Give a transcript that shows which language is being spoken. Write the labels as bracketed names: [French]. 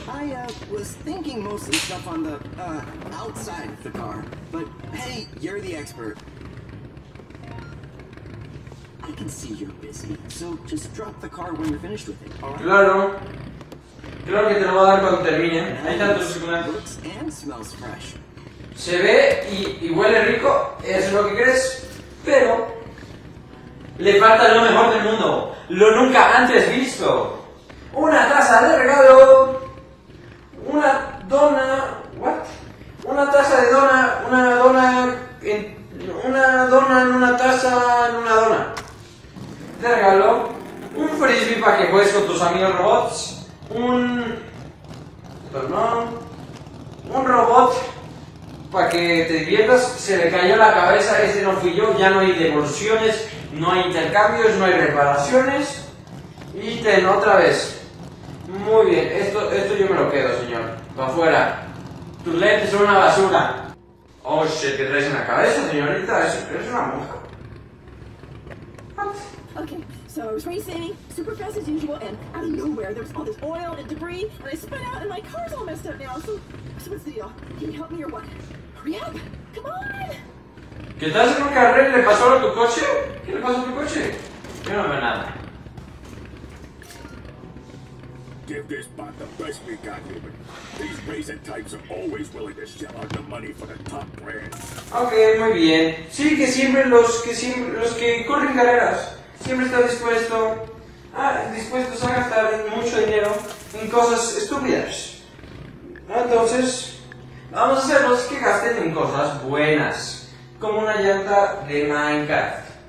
[English] I was thinking mostly stuff on the outside of the car, but hey, you're the expert. I can see you're busy, so just drop the car when you're finished with it, alright? [Spanish] Claro. Claro que te lo voy a dar cuando termine. Ahí están tus circulantes. [English] Looks and smells fresh. [Spanish] Se ve y huele rico, eso es lo que crees, pero le falta lo mejor del mundo, lo nunca antes visto. Una taza de regalo. Una dona, [English] what? [Spanish] Una taza de dona, una dona en una taza. Te regalo un frisbee para que juegues con tus amigos robots, un robot para que te diviertas. Se le cayó la cabeza, ese no fui yo, ya no hay devoluciones, no hay intercambios, no hay reparaciones, y ten otra vez. Muy bien, esto yo me lo quedo, señor. Para afuera. Tus lentes son una basura. [English] Oh shit, [Spanish] ¿qué traes en la cabeza, señorita? Eres una monja. [English] Okay, so I was racing super fast as usual, and out of nowhere there was all this oil and debris, and I spun out, and my car's all messed up now. So what's the deal? Can you help me or what? Hurry up! Come on! [Spanish] ¿Qué estás en un carril? ¿Le pasó a tu coche? ¿Qué le pasó a tu coche? Yo no veo nada. [English] Give this bot the best we got, human. These racing types are always willing to shell out the money for the top brands. [Spanish] Okay, muy bien. Sí, que siempre los que corren carreras siempre está dispuesto a gastar mucho dinero en cosas estúpidas. Entonces, vamos a hacerlos que gasten en cosas buenas, como una llanta de Minecraft.